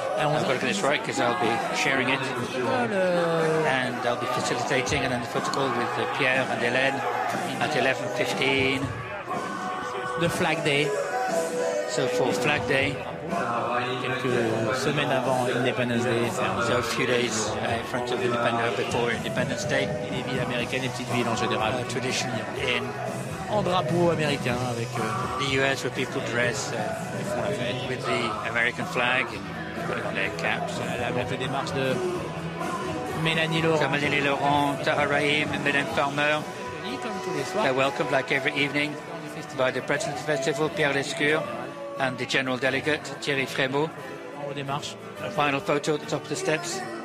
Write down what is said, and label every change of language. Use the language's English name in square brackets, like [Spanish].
[English] I'm going to get this right because I'll be sharing it and I'll be facilitating and then the photo call with Pierre and Hélène at 11:15. The flag day. So for Flag Day, [French] quelques semaines avant Independence Day, [English] so a few days in front of Independence before Independence Day, [French] les villes américaines, les petites villes en général, traditionnelles, en drapeau américain avec [English] the U.S. where people dress with the American flag and put on their caps. [French] Avec des marches de Mélanie Laurent, Mélanie Laurent, Tara Rahim, Madame Farmer. [English] They welcome like every evening by the president of the festival, Pierre Lescure, and the general delegate, Thierry Frémaux. [French] Démarche. [English] Final photo at the top of the steps.